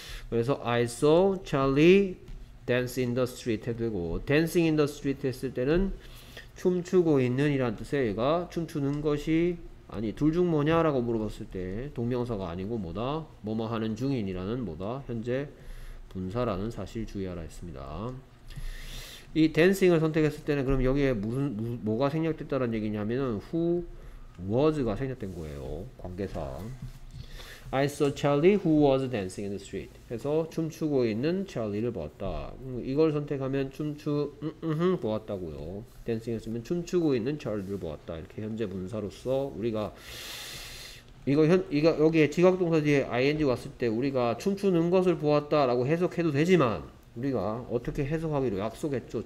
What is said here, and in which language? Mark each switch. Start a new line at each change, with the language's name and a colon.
Korean: 그래서
English: I saw Charlie dance in the street
Korean: 해도 되고
English: dancing in the street
Korean: 했을 때는 춤추고 있는 이란 뜻에 얘가 춤추는 것이 아니 둘중 뭐냐라고 물어봤을 때 동명사가 아니고 뭐다? 뭐뭐 하는 중인이라는 뭐다? 현재 분사라는 사실 주의하라 했습니다. 이 댄싱을 선택했을 때는 그럼 여기에 뭐가 생략됐다는 얘기냐면은
English: who was
Korean: 가 생략된 거예요. 관계사.
English: I saw Charlie who was dancing in the street.
Korean: 해서 춤추고 있는 찰리를 보았다. 이걸 선택하면 보았다고요. 댄싱 했으면 춤추고 있는 찰리를 보았다. 이렇게 현재 분사로서 우리가 이거 여기에 지각 동사 뒤에 ing 왔을 때 우리가 춤추는 것을 보았다라고 해석해도 되지만 우리가 어떻게 해석하기로 약속했죠?